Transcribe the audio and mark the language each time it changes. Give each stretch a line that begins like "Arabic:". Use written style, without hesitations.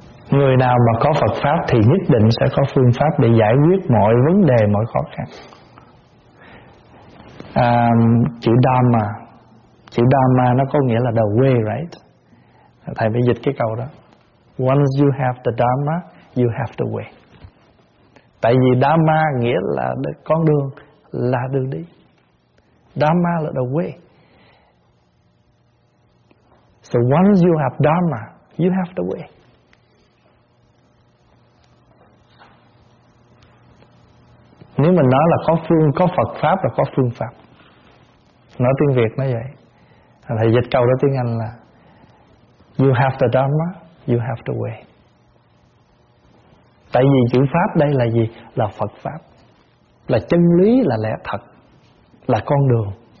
Vietnamese: Người nào mà có Phật Pháp thì nhất định sẽ có phương pháp để giải quyết mọi vấn đề, mọi khó khăn. Chữ Dharma, chữ Dharma nó có nghĩa là
English: the way, right?
Vietnamese: Thầy phải dịch cái câu đó.
English: Once you have the Dharma, you have the way.
Vietnamese: Tại vì Dharma nghĩa là con đường, là đường đi.
English: Dharma là the way. So once you have Dharma, you have the way.
Vietnamese: Nếu mình nói là có Phật Pháp là có phương pháp. Nói tiếng Việt nó vậy. Thầy dịch câu đó tiếng Anh là
English: you have the Dharma, you have the way.
Vietnamese: Tại vì chữ Pháp đây là gì? Là Phật Pháp. Là chân lý, là lẽ thật. Là con đường.